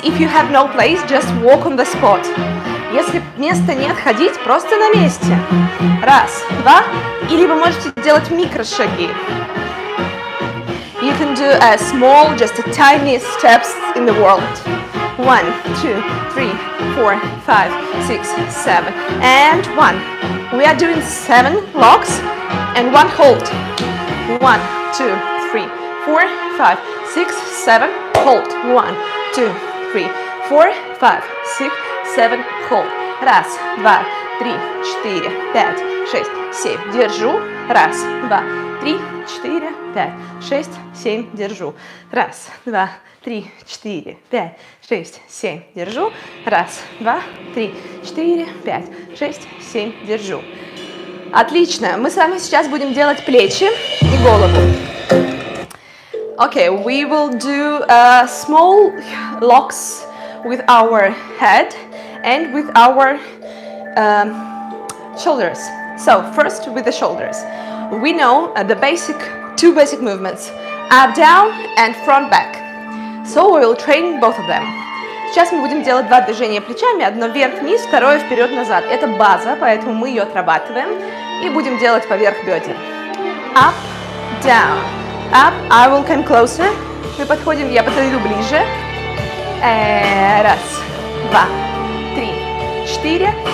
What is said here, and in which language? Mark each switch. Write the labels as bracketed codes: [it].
[en] If you have no place, just walk on the spot. [ru] Если места нет, ходить просто на месте. Раз, два, или вы можете делать микрошаги. [en] You can do a small, just a tiny steps in the world. One, two, three, four, five, six, seven, and one. We are doing seven locks and one hold. One, two, three, four, five, six, seven, hold. One, two, three, four, five, six, seven, hold. [ru] Раз, два, три, четыре, пять, шесть, семь. Держу. Раз, два, три, четыре, пять, шесть, семь. Держу. Раз, два, три, четыре, пять, шесть, семь. Держу. Раз, два, три, четыре, пять, шесть, семь. Держу. Отлично. Мы с вами сейчас будем делать плечи и голову. [en] Okay, we will do small locks with our head and with our shoulders. So first with the shoulders. We know the basic, two basic movements, up down and front back. So we will train both of them. [ru] Сейчас мы будем делать два движения плечами, одно вверх-вниз, второе вперед-назад. Это база, поэтому мы ее отрабатываем и будем делать поверх бедер. [en] Up, down. Up, I will come closer. [ru] Мы подходим, я подойду ближе. Раз, два, три, четыре.